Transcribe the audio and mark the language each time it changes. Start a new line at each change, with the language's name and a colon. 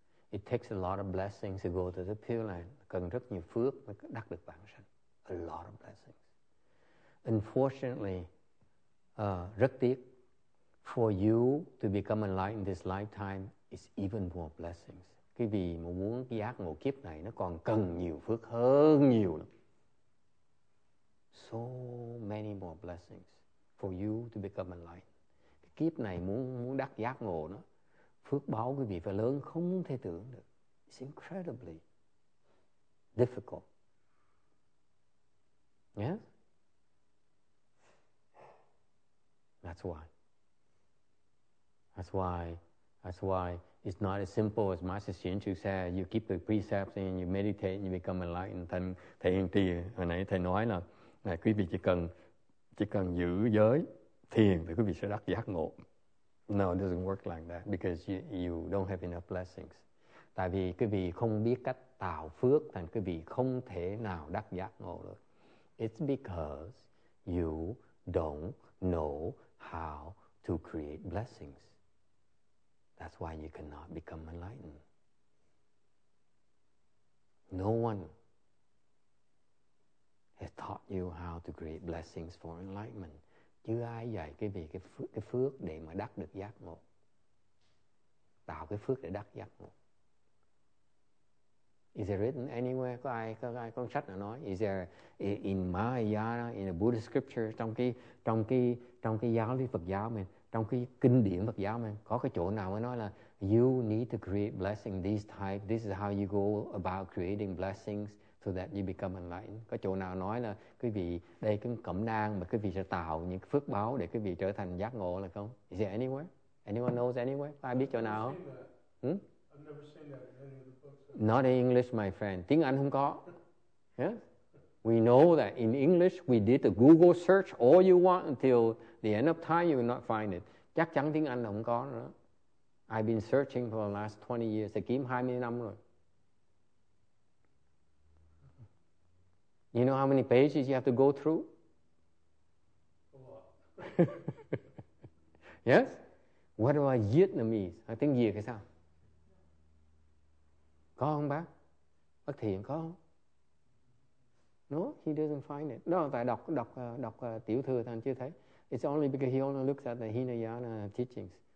English: It takes a lot of blessings to go to the Pure Land.
Vietnamese: Cần rất nhiều phước mới đắc được vãng sanh.
English: A lot of blessings. Unfortunately,
Vietnamese: rất tiếc,
English: for you to become enlightened this lifetime is even more blessings.
Vietnamese: Cái vì mà muốn giác ngộ kiếp này nó còn cần nhiều phước hơn nhiều lắm.
English: So many more blessings for you to become enlightened.
Vietnamese: Kiếp này muốn đắc giác ngộ nó, phước báo quý vị phải lớn không thể tưởng được.
English: It's incredibly difficult. Yes? That's why. That's why it's not as simple as Master Shin Chu said, you keep the precepts and you meditate and you become enlightened.
Vietnamese: Thầy Hiền Trì hồi nãy thầy nói là này, quý vị chỉ cần giữ giới thiền thì quý vị sẽ đắc giác ngộ.
English: No, it doesn't work like that because you don't have enough blessings.
Vietnamese: Tại vì quý vị không biết cách tạo phước thành quý vị không thể nào đắc giác ngộ được.
English: It's because you don't know how to create blessings. That's why you cannot become enlightened. No one has taught you how to create blessings for enlightenment.
Vietnamese: Chưa ai dạy cái việc cái phước để mà đắc được giác ngộ. Tạo cái phước để đắc giác ngộ.
English: Is it written anywhere?
Vietnamese: Có ai con sách nào nói?
English: Is there in Mahayana, in the Buddhist scripture,
Vietnamese: trong cái giáo lý Phật giáo mình, trong cái kinh điển Phật giáo mình, có cái chỗ nào mới nói là
English: you need to create blessing this type, this is how you go about creating blessings so that you become enlightened.
Vietnamese: Có chỗ nào nói là quý vị đây cái cẩm nang mà quý vị sẽ tạo những phước báo để quý vị trở thành giác ngộ là không?
English: Is there anywhere? Anyone knows anywhere?
Vietnamese: Ai biết chỗ nào?
English: I've never seen that in any of the books. Not in English, my friend.
Vietnamese: Tiếng Anh không có.
English: Yeah? We know that in English we did the Google search all you want until the end of time you will not find it.
Vietnamese: Chắc chắn tiếng Anh là không có nữa.
English: I've been searching for the last 20 years.
Vietnamese: Thì kiếm 20 năm rồi.
English: You know how many pages you have to go through? A lot. Yes? What about Vietnamese?
Vietnamese: Nói tiếng Việt hay sao? Có không bác? Bác Thiện có không?
English: No, he doesn't find it.
Vietnamese: No, tại đọc tiểu thừa thằng chưa thấy.
English: It's only because he only looks at the Hinayana teachings.